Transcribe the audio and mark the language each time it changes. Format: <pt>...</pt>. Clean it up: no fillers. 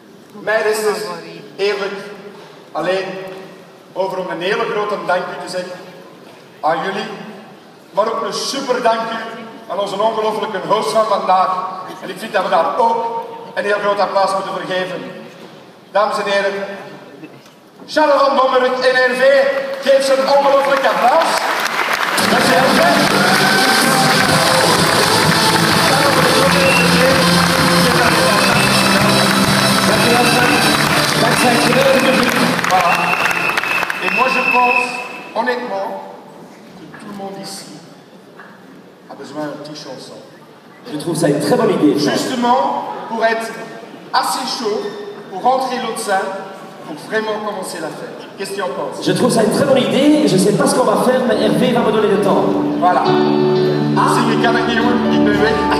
<nl>Mij is het eerlijk alleen over om een hele grote dankje te zeggen aan jullie, maar ook een super dankje aan onze ongelooflijke host van vandaag. En ik vind dat we daar ook een heel groot applaus moeten vergeven. Dames en heren, Charles van Bommerik, NRV, geef ze een ongelooflijk applaus. Dat is heel</nl> <fr>Et moi je pense, honnêtement, que tout le monde ici a besoin d'une petite chanson. Je trouve ça une très bonne idée. Justement, pour être assez chaud, pour rentrer l'autre salle, pour vraiment commencer la fête. Qu'est-ce que tu en penses? Je trouve ça une très bonne idée, je sais pas ce qu'on va faire, mais Hervé va me donner le temps. Voilà.</fr> <nl>Si je kan het niet doen, ik ben weg.</nl>